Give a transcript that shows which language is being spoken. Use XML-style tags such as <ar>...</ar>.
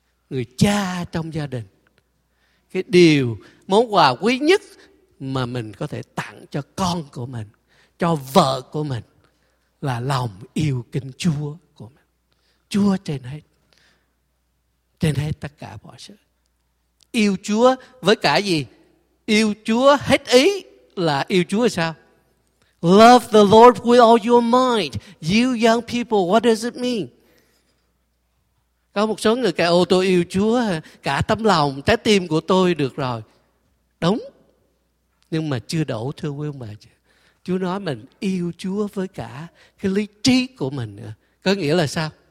<vi>Người cha trong gia đình, cái điều món quà quý nhất mà mình có thể tặng cho con của mình, cho vợ của mình, là lòng yêu kính Chúa của mình. Chúa trên hết, trên hết tất cả mọi sự. Yêu Chúa với cả gì? Yêu Chúa hết ý là yêu Chúa sao?</vi> <en>Love the Lord with all your mind. You young people, what does it mean?</en> <vi>Có một số người kêu: "Ô, tôi yêu Chúa cả tấm lòng, trái tim của tôi được rồi." Đúng, nhưng mà chưa đủ, thưa quý ông bà. Chúa nói mình yêu Chúa với cả cái lý trí của mình nữa. Có nghĩa là sao?</vi>